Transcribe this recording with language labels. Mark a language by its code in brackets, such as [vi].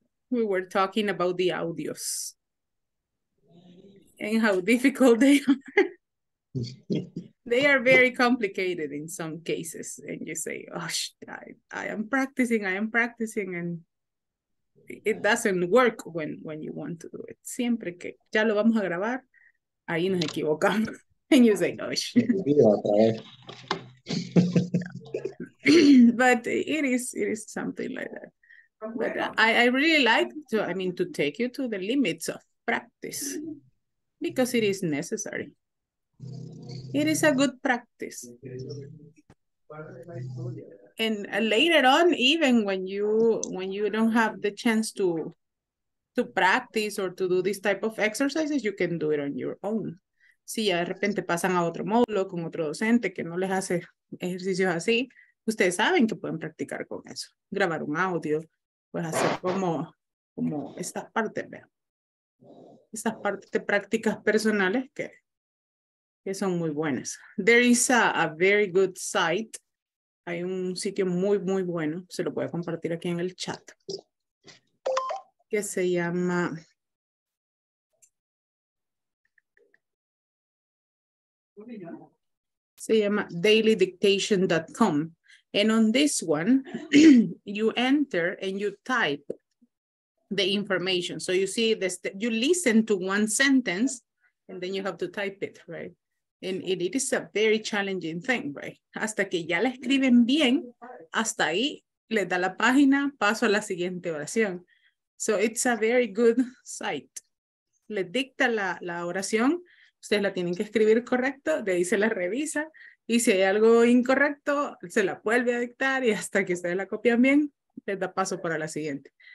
[en] We were talking about the audios and how difficult they are. They are very complicated in some cases. And you say, oh, I am practicing, I am practicing. And it doesn't work when you want to do it. [es] Siempre que ya lo vamos a grabar, ahí nos equivocamos. [en] And you say, oh, but it is something like that. But I really like to, I mean, to take you to the limits of practice because it is necessary. It is a good practice. And later on, even when you don't have the chance to practice or to do this type of exercises, you can do it on your own. [es] Si de repente pasan a otro módulo con otro docente que no les hace ejercicios así, ustedes saben que pueden practicar con eso, grabar un audio. Pues hacer como estas partes, vean. Estas partes de prácticas personales que son muy buenas. [en] There is a very good site. [es] Hay un sitio muy, muy bueno. Se lo voy a compartir aquí en el chat. Que se llama. Se llama dailydictation.com. [en] And on this one, you enter and you type the information. So you see this, you listen to one sentence and then you have to type it, right? And it is a very challenging thing, right? [es] Hasta que ya la escriben bien, hasta ahí le da la página, paso a la siguiente oración. [en] So it's a very good site. [es] Le dicta la oración, ustedes la tienen que escribir correcto, de ahí se la revisa. Y si hay algo incorrecto, se la vuelve a dictar y hasta que ustedes la copian bien, les da paso para la siguiente.